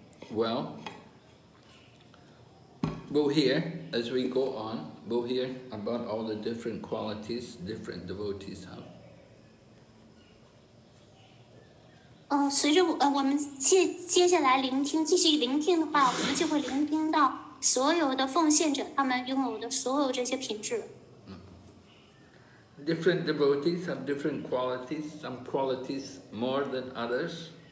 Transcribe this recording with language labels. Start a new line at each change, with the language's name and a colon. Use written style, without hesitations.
English: Well, we'll hear, as we go on, we'll hear about all the different qualities different devotees have.
Chinese: 随着我们继续聆听的话，我们就会聆听到所有的奉献者他们拥有的所有这些品质。
English: Different devotees have different qualities, some qualities more than others.